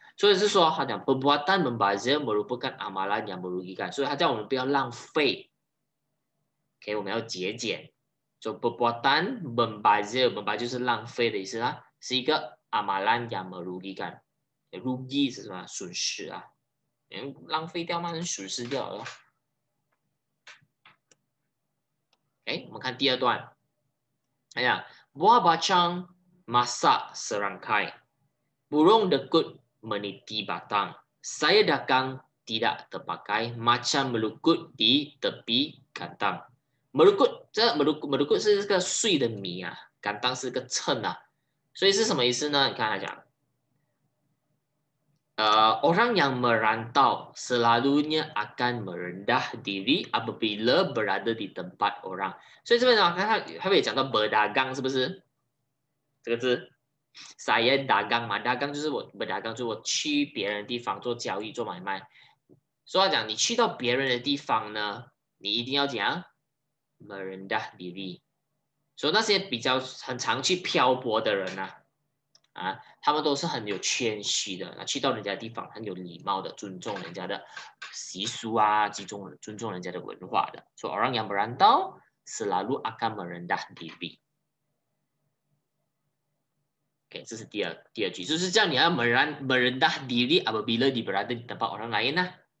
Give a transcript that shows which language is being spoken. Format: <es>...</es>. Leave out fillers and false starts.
<zh>所以是说，他讲</zh> <ms>perbuatan membazir merupakan amalan yang merugikan，</ms> <zh>所以他叫我们不要浪费，OK，我们要节俭。就</zh> <ms>perbuatan membazir</ms> <zh>就是浪费的意思啦，是一个</zh> <ms>amalan yang merugikan，</ms> <zh>rugi 是什么？损失啊，浪费掉嘛，损失掉了。我们看第二段，哎呀，</zh> <ms>buah bacang masak serangkai burung degut。 Meniti batang. Saya dagang tidak terpakai macam melukut di tepi gantang. Melukut, ini melukut, melukut adalah sui de mi ah. Gantang adalah chen ah. Jadi, apa maksudnya? Kita lihat. Orang yang merantau selalunya akan merendah diri apabila berada di tempat orang. Jadi, di sini, kita boleh cakap berdagang, bukan? Ini. Saya dagang</ms> <zh>嘛，dagang 就是我，berdagang 就是我去别人的地方做交易、做买卖。所以讲，你去到别人的地方呢，你一定要讲，</zh> <ms>merendah diri.</ms> <zh>So 那些比较很常去漂泊的人啊，他们都是很有谦虚的，去到人家地方很有礼貌的，尊重人家的习俗啊，尊重人家的文化的。</zh> <ms>So orang yang merantau selalu akan merendah diri.</ms> <zh>Okay, 这是第二句，就是叫你要</zh> <ms>merendah diri apabila diberada di tempat orang lain lah.</ms>